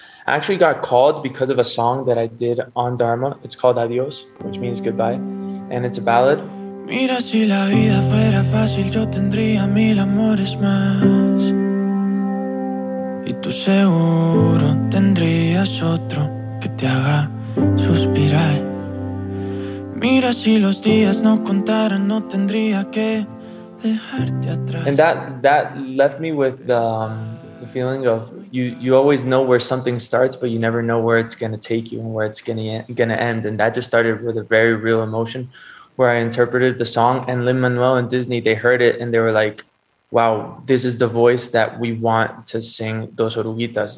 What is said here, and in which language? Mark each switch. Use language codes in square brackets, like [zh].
[en] I actually got called because of a song that I did on Dharma. It's called Adios, which means goodbye, and it's a ballad. [es] Mira si la vida fuera fácil, yo tendría mil amores más, y tú seguro tendrías otro que te haga suspirar. Mira si los días no contaran, no tendría que dejarte atrás. [en] And that left me with the feeling of you always know where something starts, but you never know where it's going to take you and where it's going to end. And that just started with a very real emotion where I interpreted the song, and Lin-Manuel and Disney, they heard it and they were like, wow, this is the voice that we want to sing Dos Oruguitas.